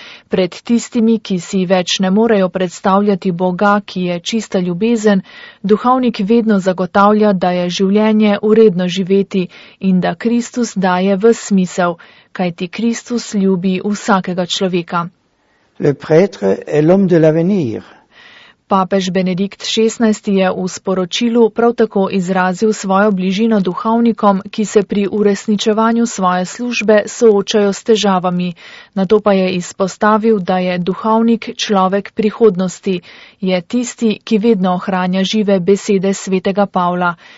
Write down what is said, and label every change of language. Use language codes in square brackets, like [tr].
[sl] Pred tistimi, ki si več ne morejo predstavljati Boga, ki je čista ljubezen, duhovnik vedno zagotavlja, da je življenje uredno živeti in da Kristus daje v smisel, kajti Kristus ljubi vsakega človeka. [fr] Le prêtre est l'homme de l'avenir. [sl] Papež Benedikt XVI. Je v sporočilu prav tako izrazil svojo bližino duhovnikom, ki se pri uresničevanju svoje službe soočajo s težavami. Na to pa je izpostavil, da je duhovnik človek prihodnosti, je tisti, ki vedno ohranja žive besede svetega Pavla.